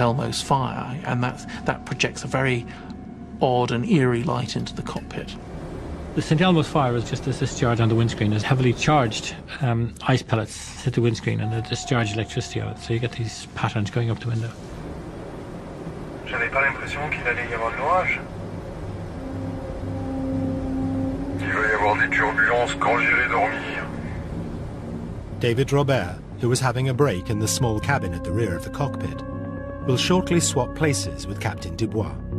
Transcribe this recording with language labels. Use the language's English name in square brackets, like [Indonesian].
[English] Elmo's fire, and that projects a very odd and eerie light into the cockpit. The St. Elmo's fire is just a discharge on the windscreen. There's heavily charged ice pellets hit the windscreen and they discharge electricity out. So you get these patterns going up the window. [French] J'avais pas l'impression qu'il allait y avoir de l'orage. Il va y avoir des turbulences quand j'irai dormir. [English] David Robert, who was having a break in the small cabin at the rear of the cockpit, will shortly swap places with Captain Dubois.